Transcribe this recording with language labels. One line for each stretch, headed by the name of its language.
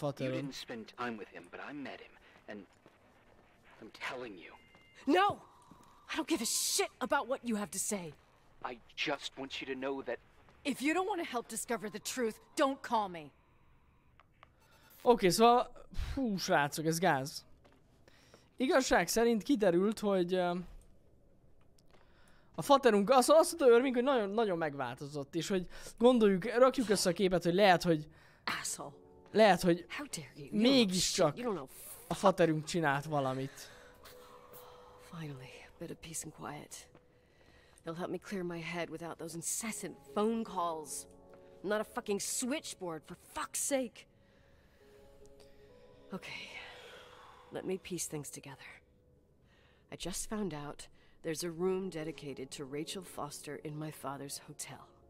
English: didn't spend time with him, but I met him, and I'm telling you. No! I don't give a shit about what you have to say. I just want you to know that... If you don't want to help discover the truth, don't call me. Okay, so...
Hungarian: Hú, srácok, ez gáz. Igazság szerint kiderült, hogy... A faterunk, azt mondta Irving, hogy nagyon, nagyon megváltozott, és hogy gondoljuk, rakjuk össze a képet, hogy lehet, hogy... Lehet, hogy mégiscsak a faterunk csinált valamit.
English: Finally, a bit of peace and quiet. They'll help me clear my head without those incessant phone calls. I'm not a fucking switchboard, for fuck's sake. Okay, let me piece things together. I just found out there's a room dedicated to Rachel Foster in my father's hotel.